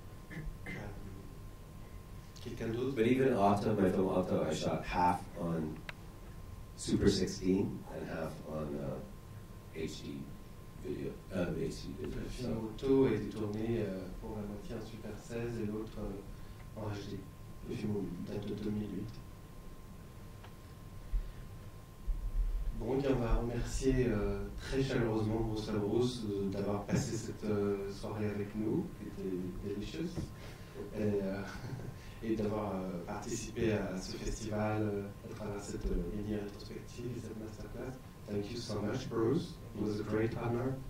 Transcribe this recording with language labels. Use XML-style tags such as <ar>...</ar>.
<en>Yeah. But even Otto, my film Otto, I shot half on Super 16 and half on HD video.</en> <fr>Le film Otto a été tourné pour la moitié en Super 16 et l'autre en HD. Le film date de 2008. Bon, bien, on va remercier très chaleureusement Bruce LaBruce d'avoir passé cette soirée avec nous, qui était délicieuse, et d'avoir participé à ce festival à travers cette mini rétrospective et cette masterclass.</fr> <en>Thank you so much, Bruce. It was a great honor.</en>